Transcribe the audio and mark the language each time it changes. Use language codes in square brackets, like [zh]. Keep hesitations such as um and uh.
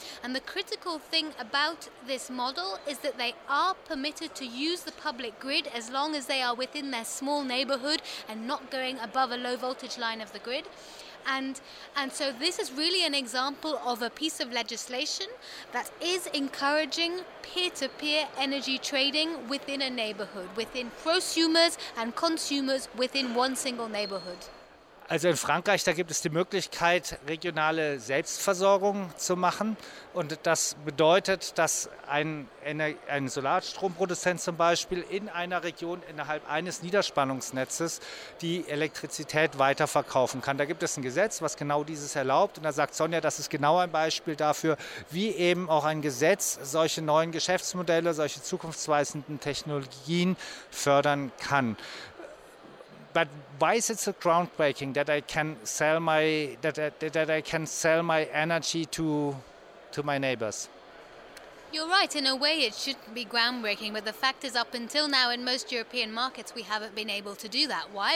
[en] And the critical thing about this model is that they are permitted to use the public grid as long as they are within their small neighborhood and not going above a low voltage line of the grid and and so this is really an example of a piece of legislation that is encouraging peer-to-peer -peer energy trading within a neighborhood within prosumers and consumers within one single neighborhood [de] Also in Frankreich, da gibt es die Möglichkeit, regionale Selbstversorgung zu machen. Und das bedeutet, dass ein, ein Solarstromproduzent zum Beispiel in einer Region innerhalb eines Niederspannungsnetzes die Elektrizität weiterverkaufen kann. Da gibt es ein Gesetz, was genau dieses erlaubt. Und da sagt Sonja, das ist genau ein Beispiel dafür, wie eben auch ein Gesetz solche neuen Geschäftsmodelle, solche zukunftsweisenden Technologien fördern kann. [en] but why is it so groundbreaking that I can sell my that I, that I can sell my energy to to my neighbors? You're right, in a way it shouldn't be groundbreaking, but the fact is, up until now in most European markets, we haven't been able to do that. Why?